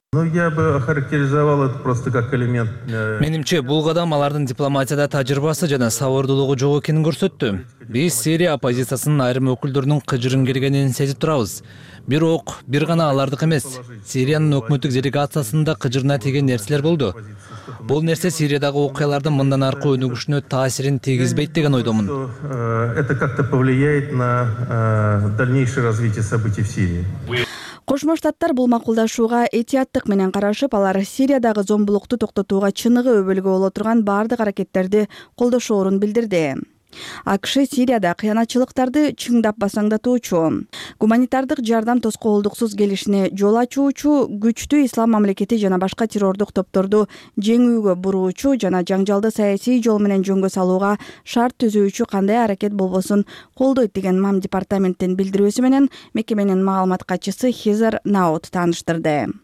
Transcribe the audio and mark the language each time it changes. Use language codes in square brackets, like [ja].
[ky] Менимче, бул кадам алардын дипломатияда тажрыйбасы жана сабырдуулугу жок экенин көрсөттү. Биз Сирия оппозициясынын айрым өкүлдөрүнүн кыжырын келгенин сезип турабыз. Бирок, бир гана алардык эмес. Сириянын өкмөттүк делегациясында кыжырына тийген нерселер болду. Бул нерсе Сириядагы окуялардын мындан аркы өнүгүшүнө таасирин тийгизбейт деген ойдомун. [ru] Это как-то повлияет на дальнейшее развитие событий в Сирии. [ky] Кошмо Штаттар бул макулдашууга этияттык менен карашып, алар Сириядагы зомбулукту токтотууга чыныгы өбөлгө боло турган бардык аракеттерди колдошоорун билдирди. АКШ Сирияда кыянатчылыктарды чыңдап басаңдатуучу, гуманитардык жардам тоскоолдуксуз келишине жол ачуучу, күчтүү ислам мамлекети жана башка террордук топторду жеңүүгө буруучу жана жаңжалды саясий жол менен жөнгө салууга шарт түзүүчү кандай аракет болбосун колдойт деген МАМ департаменттин билдирүүсү менен мекеменин маалымат катчысы Хизер Наут тааныштырды.